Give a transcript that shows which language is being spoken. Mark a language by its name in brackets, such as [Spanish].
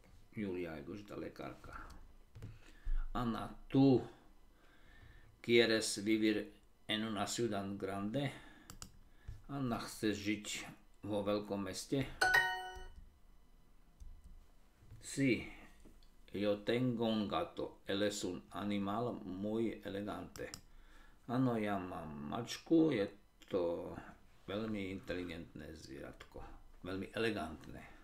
[Slovak] Julia je dôležitá lekárka. [Spanish] Ana, tú quieres vivir en una ciudad grande? [Slovak] Ana, chceš žiť vo veľkom meste? [Spanish] Sí, yo tengo un gato. Él es un animal muy elegante. [Slovak] Áno, ja mám mačku, je to veľmi inteligentné zvieratko, veľmi elegantné.